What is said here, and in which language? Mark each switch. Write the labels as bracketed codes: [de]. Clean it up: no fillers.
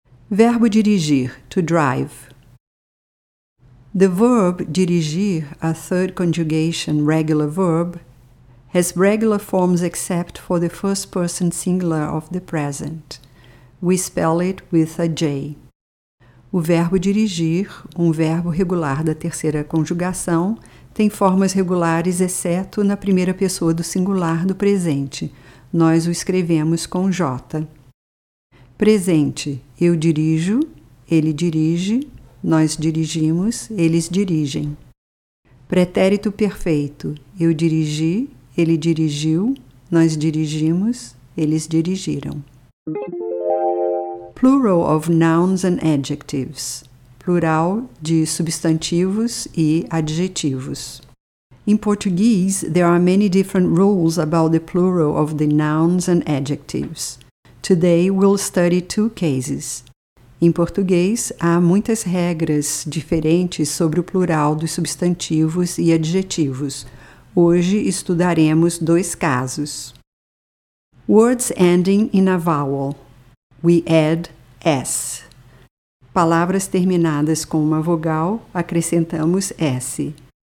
[pt] Verbo dirigir. [en] To drive. The verb dirigir, a third conjugation regular verb, has regular forms except for the first person singular of the present. We spell it with a J. [pt] O verbo dirigir, um verbo regular da terceira conjugação, tem formas regulares exceto na primeira pessoa do singular do presente. Nós o escrevemos com J. Presente, eu dirijo, ele dirige, nós dirigimos, eles dirigem. Pretérito perfeito, eu dirigi, ele dirigiu, nós dirigimos, eles dirigiram. [en] Plural of nouns and adjectives. [pt] Plural de substantivos e adjetivos. [en] In Portuguese, there are many different rules about the plural of the nouns and adjectives. Today, we'll study two cases. [pt] Em português, há muitas regras diferentes sobre o plural dos substantivos e adjetivos. Hoje estudaremos dois casos. [en] Words ending in a vowel. We add S. [pt] Palavras terminadas com uma vogal, acrescentamos S.